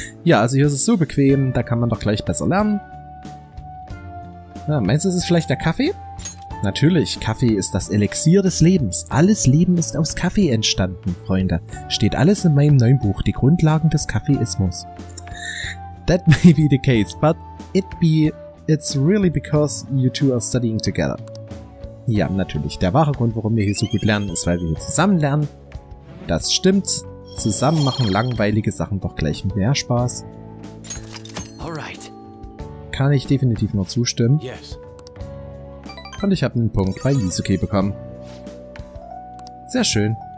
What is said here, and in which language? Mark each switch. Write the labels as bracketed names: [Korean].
[German] Ja, also hier ist es so bequem, da kann man doch gleich besser lernen. Ja, meinst du, ist es vielleicht der Kaffee? Natürlich, Kaffee ist das Elixier des Lebens. Alles Leben ist aus Kaffee entstanden, Freunde. Steht alles in meinem neuen Buch, die Grundlagen des Kaffeeismus. [English] That may be the case, but it's really because you two are studying together. [German] Ja, natürlich. Der wahre Grund, warum wir hier so gut lernen, ist, weil wir hier zusammen lernen. Das stimmt. Zusammen machen langweilige Sachen doch gleich mehr Spaß. [English] Alright. [German] Kann ich definitiv nur zustimmen. [English] Yes. [German] Und ich habe einen Punkt bei Yusuke bekommen. Sehr schön.